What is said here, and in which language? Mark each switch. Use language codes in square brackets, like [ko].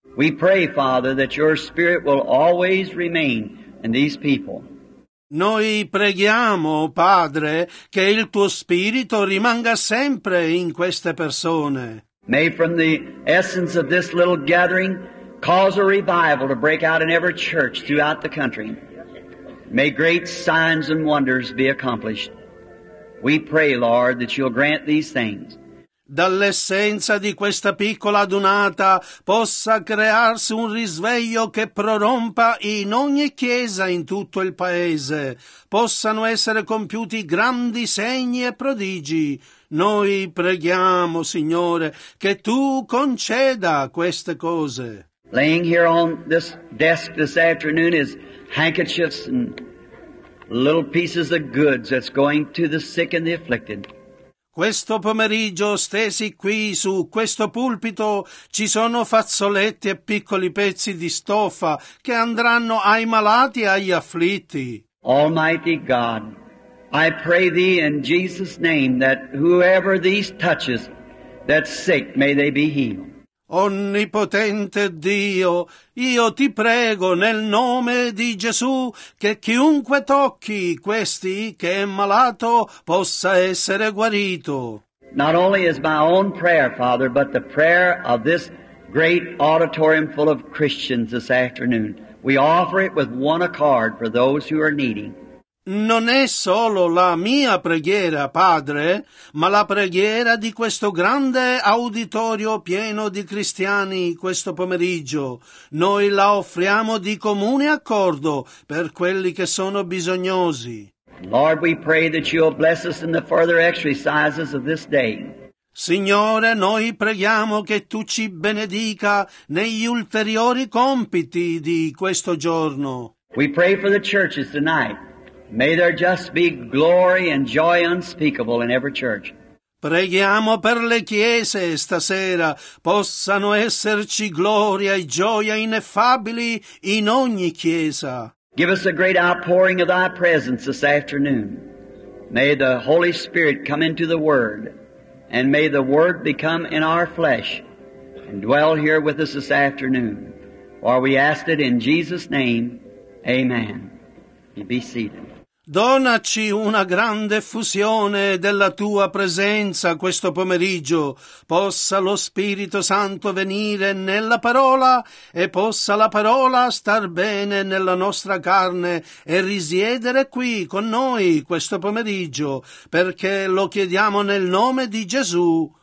[en] We pray, Father, that your Spirit will always remain in these people. [it] Noi preghiamo, Padre, che il tuo Spirito rimanga sempre in queste persone. [en] May from the essence of this little gathering cause a revival to break out in every church throughout the country. May great signs and wonders be accomplished. We pray, Lord, that you'll grant these things. [it] Dall'essenza di questa piccola adunata possa crearsi un risveglio che prorompa in ogni chiesa in tutto il paese. Possano essere compiuti grandi segni e prodigi. Noi preghiamo, Signore, che tu conceda queste cose. [en] laying here on this desk this afternoon is handkerchiefs and little pieces of goods that's going to the sick and the afflicted. [it] Questo pomeriggio, stesi qui su questo pulpito, ci sono fazzoletti e piccoli pezzi di stoffa che andranno ai malati e agli afflitti. [en] Almighty God, I pray thee in Jesus' name that whoever these touches, that's sick, may they be healed. [it] Onnipotente Dio, io ti prego nel nome di Gesù che chiunque tocchi questi che è malato possa essere guarito. [en] Not only is my own prayer, Father, but the prayer of this great auditorium full of Christians this afternoon. We offer it with one accord for those who are needing. [it] Non è solo la mia preghiera, Padre, ma la preghiera di questo grande auditorio pieno di cristiani questo pomeriggio. Noi la offriamo di comune accordo per quelli che sono bisognosi. [en] Lord, we pray that you'll bless us in the further exercises of this day. [it] Signore, noi preghiamo che tu ci benedica negli ulteriori compiti di questo giorno. [en] We pray for the churches tonight. May there just be glory and joy unspeakable in every church. [it] Preghiamo per le chiese stasera, possano esserci gloria e gioia ineffabili in ogni chiesa. [en] Give us a great outpouring of thy presence this afternoon. May the Holy Spirit come into the Word, and may the Word become in our flesh and dwell here with us this afternoon. For we ask it in Jesus' name. Amen. You be seated. [it] Donaci una grande effusione della Tua presenza questo pomeriggio. Possa lo Spirito Santo venire nella parola e possa la parola star bene nella nostra carne e risiedere qui con noi questo pomeriggio, perché lo chiediamo nel nome di Gesù.